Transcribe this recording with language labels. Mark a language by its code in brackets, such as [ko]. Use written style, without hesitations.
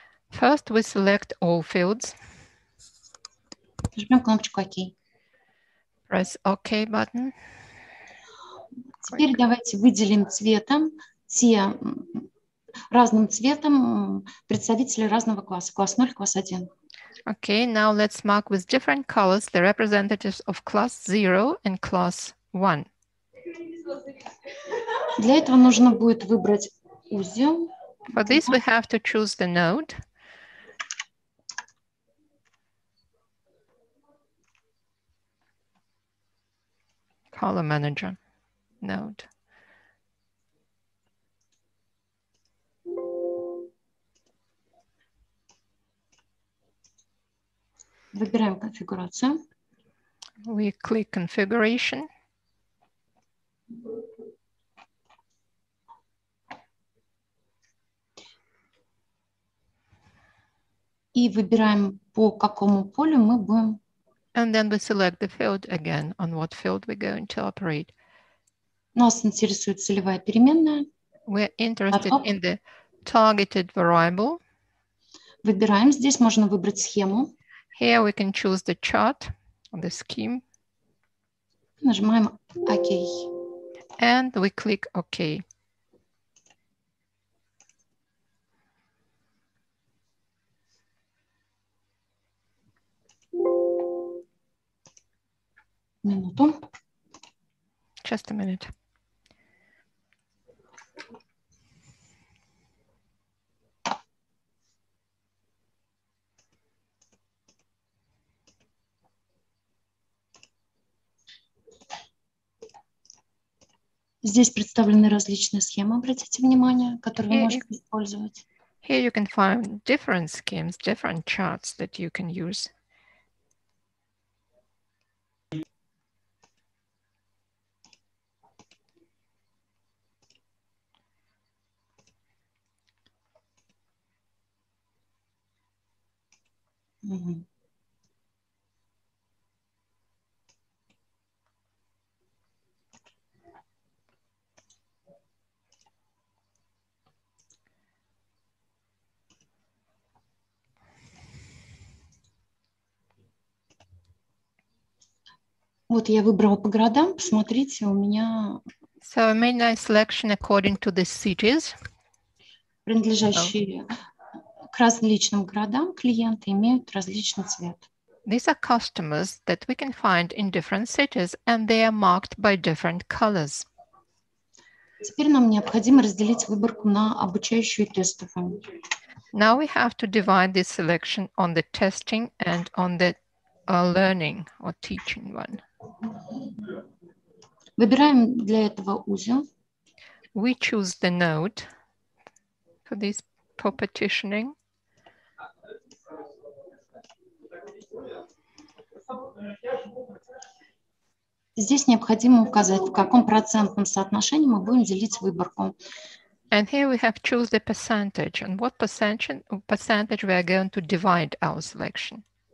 [en] First we select all fields. [ru] Жмем кнопочку OK. [en] Press OK button. [ru] Теперь Quick. Давайте выделим цветом те разным цветом представители разного класса, класс 0, класс 1. [en] Okay, now let's mark with different colors the representatives of class 0 and class 1. [ru] Для этого нужно будет выбрать узел. [en] For this we have to choose the node. Color manager node. [ru] Выбираем конфигурацию. [en] We click configuration. [ru] И выбираем, по какому полю мы будем. [en] And then we select the field again, on what field we're going to operate. [ru] Нас интересует целевая переменная. [en] We're interested in the targeted variable. [ru] Выбираем, здесь можно выбрать схему. [en] Here we can choose the chart or the scheme. [ru] Нажимаем OK. [en] And we click OK. [ru] Минуту. [en] Just a minute. [ru] Здесь представлены различные схемы, обратите внимание, которые [en] here, [ru] вы можете использовать. [en] Here you can find different schemes, different charts that you can use. [ru] Вот я выбрала по городам. Посмотрите, у меня... [en] So I made my selection according to the cities. [ru] Принадлежащие к различным городам клиенты имеют различный цвет. [en] These are customers that we can find in different cities and they are marked by different colors. [ru] Теперь нам необходимо разделить выборку на обучающую и тестовую. [en] Now we have to divide this selection on the testing and on the learning or teaching one. [ru] Выбираем для этого узел. [en] We choose the node for this for partitioning. [ru] Здесь необходимо указать, в каком процентном соотношении мы будем делить выборку. [en] And here we have choose the percentage. And what percentage we are going to divide our selection?